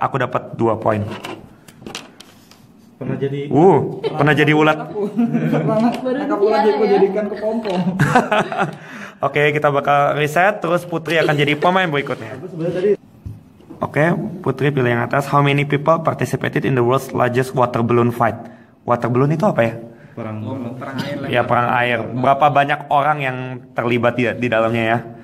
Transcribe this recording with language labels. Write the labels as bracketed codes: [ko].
[id] Aku dapat 2 poin. Pernah jadi ulat. Aku jadikan kepompong. Oke, kita bakal reset. Terus Putri akan jadi pemain berikutnya. Oke, Putri pilih yang atas. [en] How many people participated in the world's largest water balloon fight? [id] Water balloon itu apa ya? Perang air. Ya, perang air. Berapa banyak orang yang terlibat di dalamnya ya?